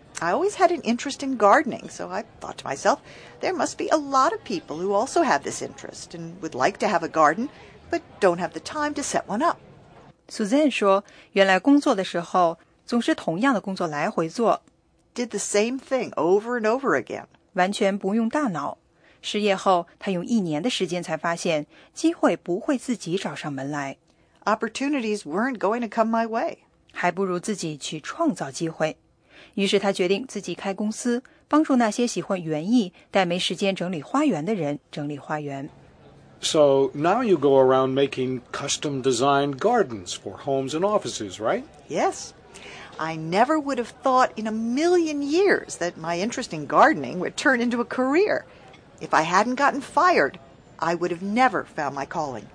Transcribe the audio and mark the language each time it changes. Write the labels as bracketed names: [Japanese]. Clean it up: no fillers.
[English] I always had an interest in gardening, so I thought to myself, there must be a lot of people who also have this interest and would like to have a garden, but don't have the time to set one up. [Chinese] Suzanne 说，原来工作的时候，总是同样的工作来回做。 [English] Did the same thing over and over again. [Chinese] 完全不用大脑。失业后，他用一年的时间才发现，机会不会自己找上门来。 [English] Opportunities weren't going to come my way. [Chinese] 还不如自己去创造机会。于是他决定自己开公司，帮助那些喜欢园艺但没时间整理花园的人整理花园。 [English] So now you go around making custom designed gardens for homes and offices, right? Yes. I never would have thought in a million years that my interest in gardening would turn into a career. If I hadn't gotten fired, I would have never found my calling.